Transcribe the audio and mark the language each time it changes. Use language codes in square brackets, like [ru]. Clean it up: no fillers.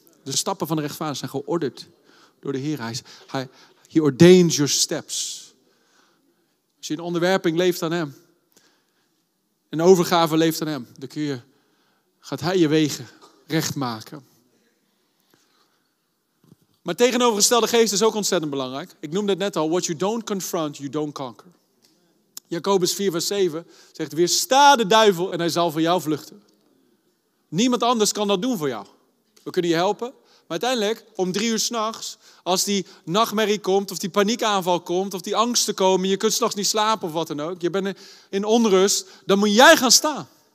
[nl] De stappen van de rechtvaardigen zijn geordend door de Heer. [en] He ordains your steps. [nl] Als je in onderwerping leeft aan hem. In overgave leeft aan hem. Dan gaat hij je wegen recht maken. Maar tegenovergestelde geest is ook ontzettend belangrijk. Ik noemde het net al. [en] What you don't confront, you don't conquer. [nl] Jacobus 4 vers 7 zegt, weersta de duivel en hij zal voor jou vluchten. Niemand anders kan dat doen voor jou. We kunnen je helpen. Maar uiteindelijk, om 3 uur 's nachts, als die nachtmerrie komt, of die paniekaanval komt, of die angsten komen, je kunt 's nachts niet slapen of wat dan ook, je bent in onrust, dan moet jij gaan staan.